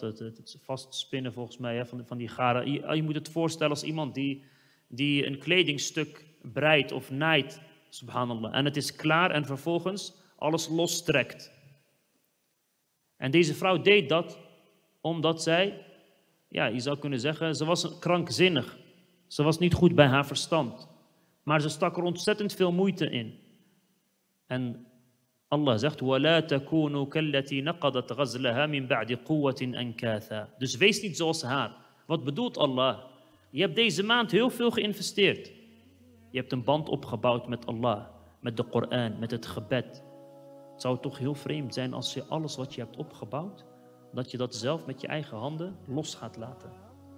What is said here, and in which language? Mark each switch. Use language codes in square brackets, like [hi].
[nl] Het vastspinnen volgens mij, hè, van die garen. Je moet het voorstellen als iemand die een kledingstuk breidt of naait, subhanallah. En het is klaar en vervolgens alles lostrekt. En deze vrouw deed dat omdat zij, ja, je zou kunnen zeggen, ze was krankzinnig. Ze was niet goed bij haar verstand. Maar ze stak er ontzettend veel moeite in. En Allah zegt, [ar] وَلَا تَكُونُوا كَلَّتِي نَقَدَتْ غَزْلَهَا مِنْ بَعْدِ قُوَّةٍ أَنْكَاثَا. [nl] Dus wees niet zoals haar. Wat bedoelt Allah? Je hebt deze maand heel veel geïnvesteerd. Je hebt een band opgebouwd met Allah, met de Koran, met het gebed. Het zou toch heel vreemd zijn als je alles wat je hebt opgebouwd, dat je dat zelf met je eigen handen los gaat laten.